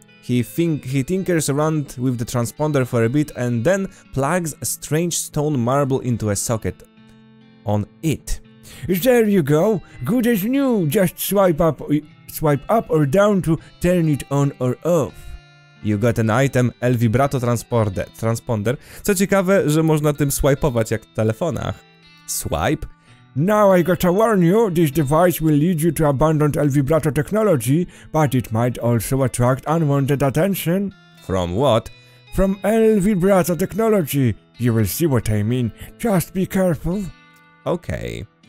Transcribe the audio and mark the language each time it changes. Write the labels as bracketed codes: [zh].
[en] He tinkers around with the transponder for a bit and then plugs a strange stone marble into a socket. On it. There you go. Good as new. Just swipe up or down to turn it on or off. You got an item, El Vibrato Transponder. [pl] Co ciekawe, że można tym swipe'ować jak w telefonach. [en] Swipe. Now I gotta warn you, this device will lead you to abandoned El Vibrato technology, but it might also attract unwanted attention. From what? from El Vibrato Technology. You will see what I mean. Just be careful. Okay.